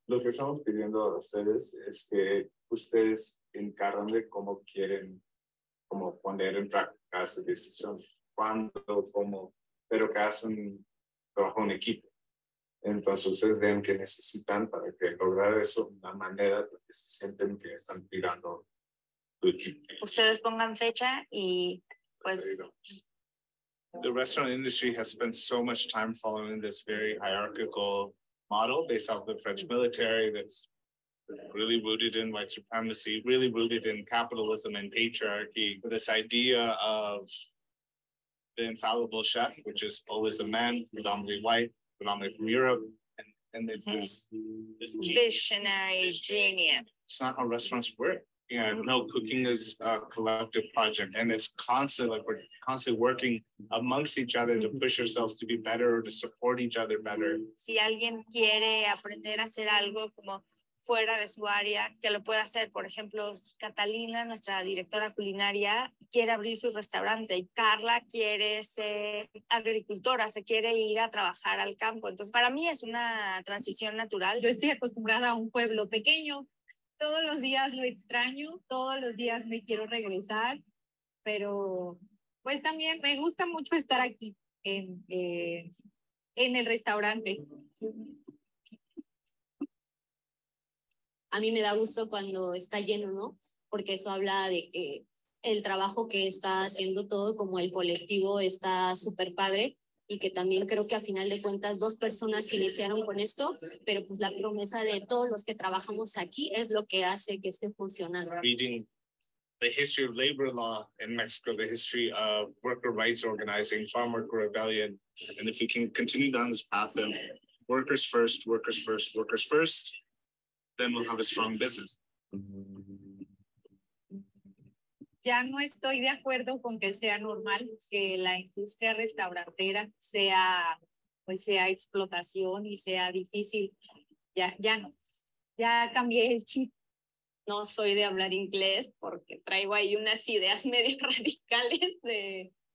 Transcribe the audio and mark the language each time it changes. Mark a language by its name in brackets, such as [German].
[Spanish] Lo que estamos pidiendo a ustedes es que ustedes encarguen de cómo quieren cómo poner en práctica esa decisión, cuándo, cómo, pero que hacen trabajo en equipo. Entonces ustedes ven que necesitan para que lograr eso una manera que se sienten que están cuidando tu equipo. Ustedes pongan fecha y pues. [English] The restaurant industry has spent so much time following this very hierarchical model based off the French military that's really rooted in white supremacy, really rooted in capitalism and patriarchy. This idea of the infallible chef, which is always a man, predominantly white, predominantly from Europe, and there's this visionary genius. It's not how restaurants work. Yeah, no, cooking is a collective project, and it's constant, like we're constantly working amongst each other to push ourselves to be better or to support each other better. [Spanish] Si alguien quiere aprender a hacer algo como fuera de su área, que lo pueda hacer. Por ejemplo, Catalina, nuestra directora culinaria, quiere abrir su restaurante. Carla quiere ser agricultora, se quiere ir a trabajar al campo. Entonces, para mí es una transición natural. Yo estoy acostumbrada a un pueblo pequeño. Todos los días lo extraño, todos los días me quiero regresar, pero pues también me gusta mucho estar aquí en el restaurante. A mí me da gusto cuando está lleno, ¿no? Porque eso habla de que el trabajo que está haciendo todo como el colectivo está súper padre. Y que también creo que a final de cuentas dos personas iniciaron con esto, pero pues la promesa de todos los que trabajamos aquí es lo que hace que esté funcionando. [English] Reading the history of labor law in Mexico, the history of worker rights organizing, farm worker rebellion, and if we can continue down this path of workers first, workers first, workers first, then we'll have a strong business. [Spanish] Ya no estoy de acuerdo con que sea normal que la industria restaurantera sea, pues sea explotación y sea difícil. Ya no. Ya cambié el chip. No soy de hablar inglés porque traigo ahí unas ideas medio radicales de...